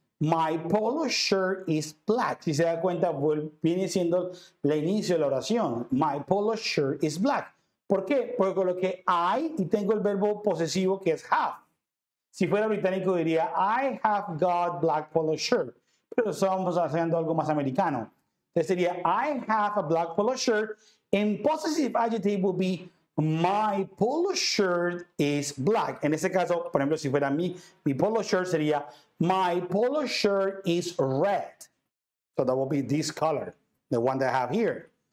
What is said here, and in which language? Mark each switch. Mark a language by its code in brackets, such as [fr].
[en] My polo shirt is black. [es] Si se da cuenta, viene siendo el inicio de la oración. [en] My polo shirt is black. [es] ¿Por qué? Porque coloqué I y tengo el verbo posesivo que es have. Si fuera británico diría, [en] I have got black polo shirt. [es] Pero estamos haciendo algo más americano. Entonces sería, [en] I have a black polo shirt. En possessive adjective would be, my polo shirt is black. [es] En ese caso, por ejemplo, si fuera mi polo shirt sería, [en] my polo shirt is red. So that would be this color, the one that I have here.